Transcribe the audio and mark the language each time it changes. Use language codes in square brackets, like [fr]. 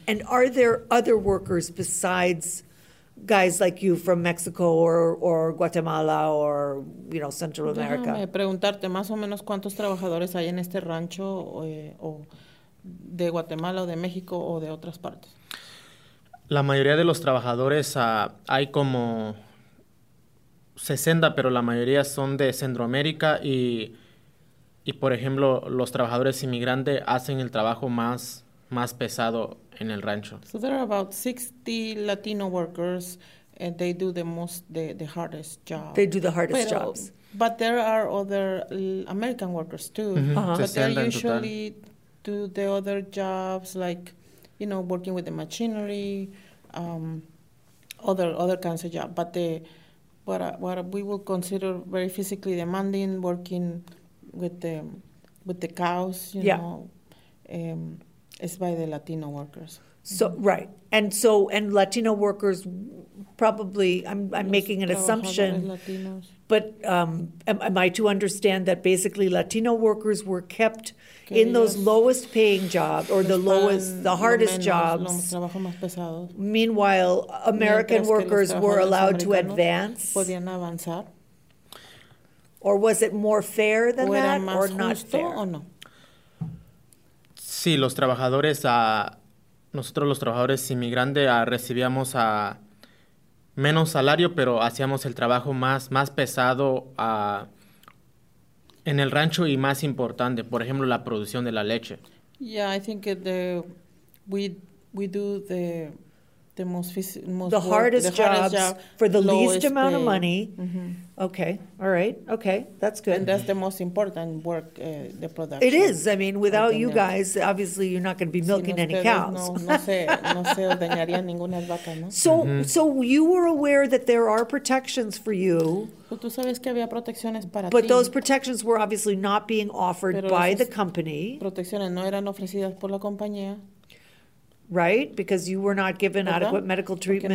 [en] And are there other workers besides guys like you from Mexico or Guatemala or, you know, Central America? [es] Déjame preguntarte más o menos cuántos trabajadores hay en este rancho o de Guatemala o de México o de otras partes. La mayoría de los trabajadores, hay como 60, pero la mayoría son de Centroamérica y por ejemplo, los trabajadores inmigrantes hacen el trabajo más pesado en el rancho. [en] So there are about 60 Latino workers and they do the hardest job. They do the hardest pero, jobs. But there are other American workers too. Mm-hmm. Uh-huh. But they usually do the other jobs like, you know, working with the machinery, other kinds of jobs. But what we would consider very physically demanding, working with the cows, you yeah. know, is by the Latino workers. So right, and so and Latino workers probably. I'm making an assumption. Latinos. But am I to understand that basically Latino workers were kept in those lowest paying jobs or the lowest, the hardest jobs? Meanwhile, American workers were allowed to advance? [es] Podían avanzar. [en] Or was it more fair than that or not fair? [es] O no? Sí, los trabajadores, nosotros los trabajadores inmigrantes recibíamos a... menos salario, pero hacíamos el trabajo más pesado en el rancho y más importante, por ejemplo, la producción de la leche. [en] Yeah, I think we do the most the work, hardest the jobs hardest job, for the least amount pay. Of money. Mm-hmm. Okay, all right. Okay, that's good. And that's the most important work, the production. It is. I mean, without you guys, obviously you're not going to be milking any cows. [es] No se ordeñaría ninguna vaca, ¿no? [en] So you were aware that there are protections for you. [es] Pero tú sabes que había protecciones para ti. [en] But those protections were obviously not being offered by the company. [es] Protecciones no eran ofrecidas por la compañía. [en] Right, because you were not given [es] ¿verdad? [en] Adequate medical treatment.